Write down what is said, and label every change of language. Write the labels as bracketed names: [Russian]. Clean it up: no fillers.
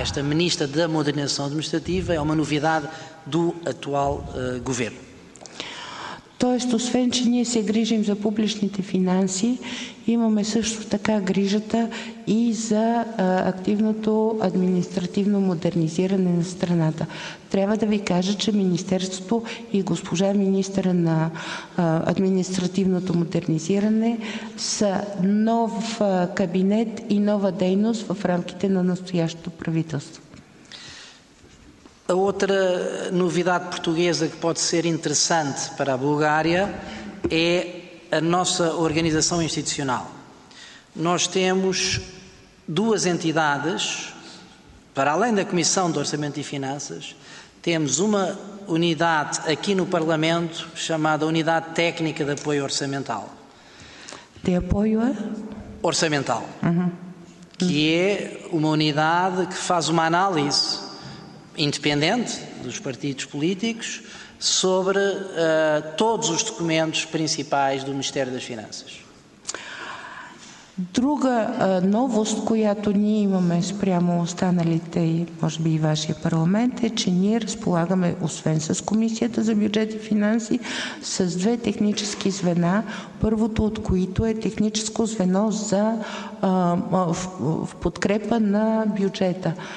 [Portuguese] Esta ministra da Modernização Administrativa é uma novidade do atual governo. [Bulgarian] Тоест, освен че ние се грижим за публичните финанси, имаме също така грижата и за активното административно модернизиране на страната. Трябва да ви кажа, че Министерството и госпожа министъра на административното модернизиране са нов кабинет и нова дейност в рамките на настоящото правителство. [Portuguese] A outra novidade portuguesa que pode ser interessante para a Bulgária é a nossa organização institucional. Nós temos duas entidades, para além da Comissão de Orçamento e Finanças, temos uma unidade aqui no Parlamento chamada Unidade Técnica de Apoio Orçamental. De apoio a? Orçamental. Que é uma unidade que faz uma análise independente dos partidos políticos, sobre todos os documentos principais do Ministério das Finanças. [Bulgarian] Друга новост, която ние имаме спрямо останалите, може би и вашия парламент, е, че ние разполагаме, освен с Комисията за бюджет и финанси, с две технически звена, първото от които е техническо звено за в подкрепа на бюджета.